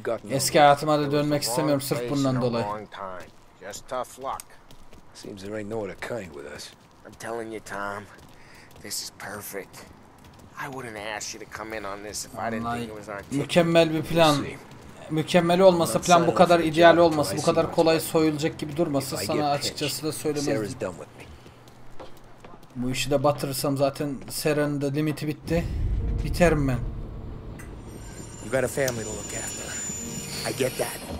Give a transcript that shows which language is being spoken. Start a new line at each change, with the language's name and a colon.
Turkish: Eski hayatıma da dönmek istemiyorum sırf bundan dolayı.
English: Just tough luck. Seems there ain't no other kind with us. I'm telling you, Tom. This is perfect. I wouldn't ask you to come in on this if I didn't think it was our team.
Turkish: Mükemmel bir plan. Mükemmel olmasa, plan bu kadar ideal olmasa, bu kadar kolay soyulacak gibi durmasa sana açıkçası da söylemezdim. Bu işi de batırırsam zaten Sarah'ın da limiti bitti. Biterim ben.
English: You got a family to look after. I get that.